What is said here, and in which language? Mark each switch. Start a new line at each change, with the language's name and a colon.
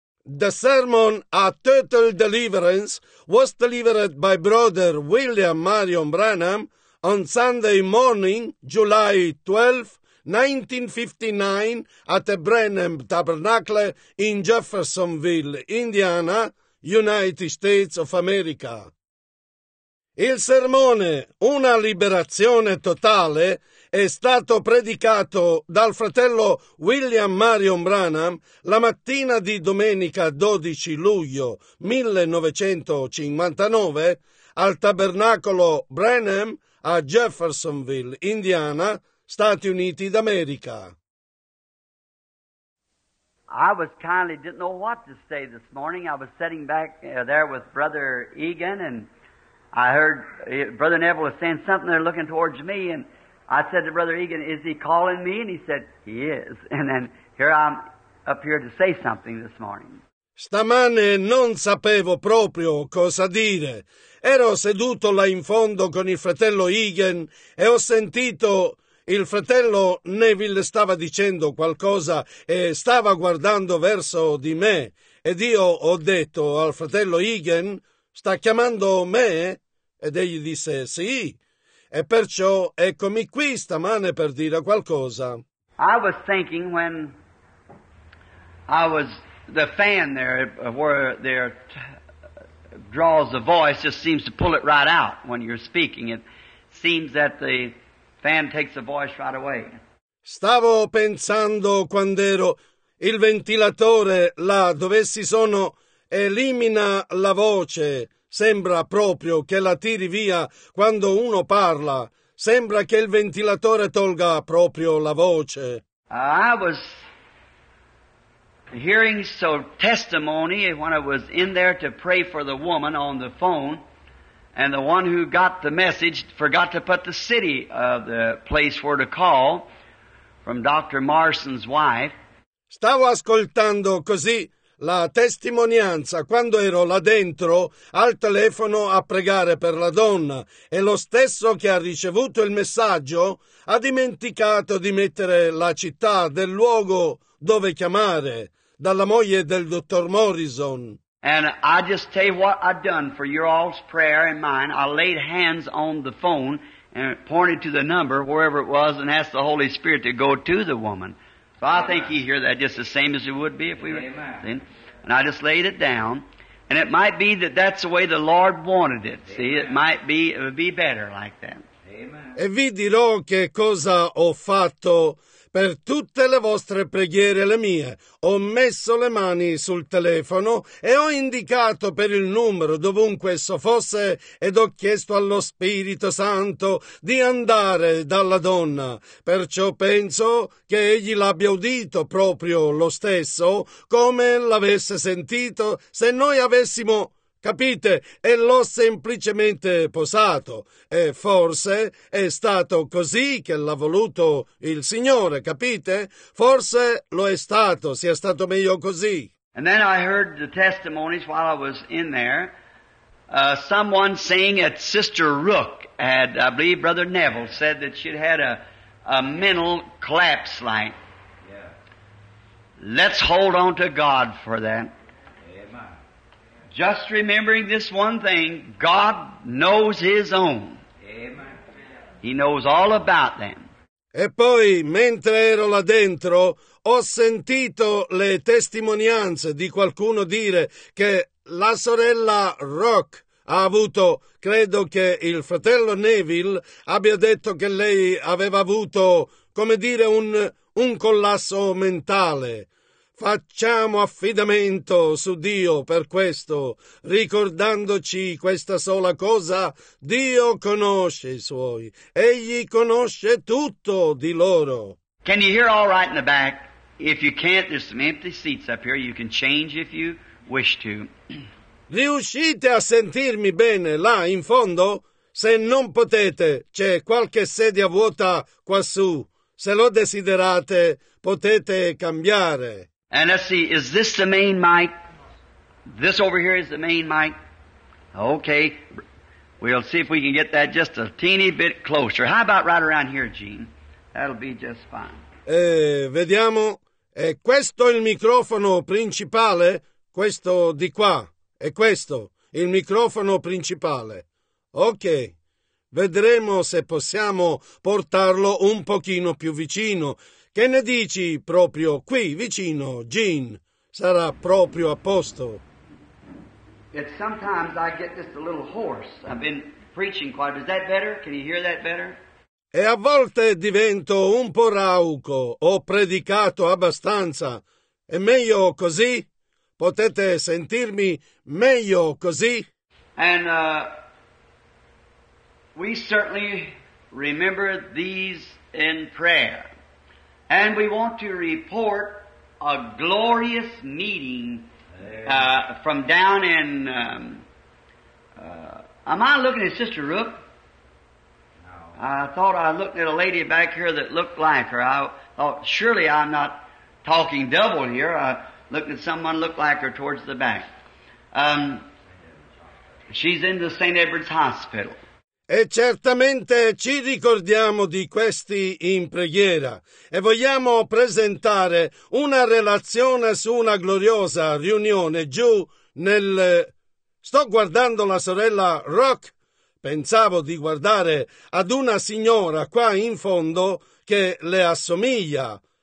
English: The sermon "A Total Deliverance" was delivered by Brother William Marion Branham on Sunday morning, July 12, 1959, at the Branham Tabernacle in Jeffersonville, Indiana, United States of America.
Italian: Il sermone "Una liberazione totale" è stato predicato dal fratello William Marion Branham la mattina di domenica 12 luglio 1959 al tabernacolo Branham a Jeffersonville, Indiana, Stati Uniti d'America.
English: I was kindly didn't know what to say this morning. I was sitting back there with Brother Egan and I heard Brother Neville was saying something there looking towards me and I said to Brother Egan, "Is he calling me?" And he said, "He is." And then here I'm up here to say something this morning.
Italian: Stamane non sapevo proprio cosa dire. Ero seduto là in fondo con il fratello Egan e ho sentito il fratello Neville stava dicendo qualcosa e stava guardando verso di me. Ed io ho detto al fratello Egan, "Sta chiamando me?" Ed egli disse, "Sì." E perciò eccomi qui stamane per dire qualcosa.
English: I was thinking when I was the fan there where there draws the voice just seems to pull it right out when you're speaking. It seems that the fan takes the voice right away.
Italian: Stavo pensando quando ero il ventilatore là dove si sono elimina la voce. Sembra proprio che la tiri via quando uno parla. Sembra che il ventilatore tolga proprio la voce.
English: I was hearing some testimony when I was in there to pray for the woman on the phone, and the one who got the message forgot to put the city of the place where to call from Dr. Marson's wife.
Italian: Stavo ascoltando così la testimonianza quando ero là dentro al telefono a pregare per la donna e lo stesso che ha ricevuto il messaggio ha dimenticato di mettere la città del luogo dove chiamare dalla moglie del dottor Morrison.
English: And I just tell you what I've done for your all's prayer and mine. I laid hands on the phone and pointed to the number wherever it was and asked the Holy Spirit to go to the woman. So I think he hear that just the same as it would be if we were. Amen. And I just laid it down. And it might be that that's the way the Lord wanted it. Amen. See, it would be better like that. Amen.
Italian: E vi dirò che cosa ho fatto per tutte le vostre preghiere le mie. Ho messo le mani sul telefono e ho indicato per il numero dovunque esso fosse ed ho chiesto allo Spirito Santo di andare dalla donna. Perciò penso che egli l'abbia udito proprio lo stesso come l'avesse sentito se noi avessimo, capite, e l'ho semplicemente posato. E forse è stato così che l'ha voluto il Signore, capite? Forse lo è stato, sia stato meglio così.
English: And then I heard the testimonies while I was in there. Someone saying that Sister Rook had, I believe Brother Neville said that she'd had a mental collapse like. Yeah. Let's hold on to God for that. Just remembering this one thing, God knows His own. Amen. He knows all about them.
Italian: E poi, mentre ero là dentro, ho sentito le testimonianze di qualcuno dire che la sorella Rock ha avuto, credo che il fratello Neville abbia detto che lei aveva avuto, come dire, un collasso mentale. Facciamo affidamento su Dio per questo, ricordandoci questa sola cosa, Dio conosce i suoi, egli conosce tutto di loro.
English: Can you hear all right in the back? If you can't, there's some empty seats up here, you can change if you wish to.
Italian: Riuscite a sentirmi bene là in fondo? Se non potete, c'è qualche sedia vuota quassù, se lo desiderate, potete cambiare.
English: And let's see, is this the main mic? This over here is the main mic? Okay, we'll see if we can get that just a teeny bit closer. How about right around here, Gene? That'll be just fine.
Italian: Vediamo, è questo il microfono principale? questo di qua, è questo, il microfono principale. Ok, vedremo se possiamo portarlo un pochino più vicino. Che ne dici proprio qui vicino, Gene? Sarà proprio a posto.
English: It's sometimes I get just a little hoarse. I've been preaching quite. Is that better? Can you hear that better?
Italian: E a volte divento un po' rauco. Ho predicato abbastanza. È meglio così? Potete sentirmi meglio così?
English: And we certainly remember these in prayer. And we want to report a glorious meeting from down in... am I looking at Sister Rook? No. I thought I looked at a lady back here that looked like her. I thought, surely I'm not talking double here. I looked at someone who looked like her towards the back. She's in the St. Edward's Hospital.
Italian: E certamente ci ricordiamo di questi in preghiera e vogliamo presentare una relazione su una gloriosa riunione giù nel... Sto guardando la sorella Rock. Pensavo di guardare ad una signora qua in fondo che le assomiglia.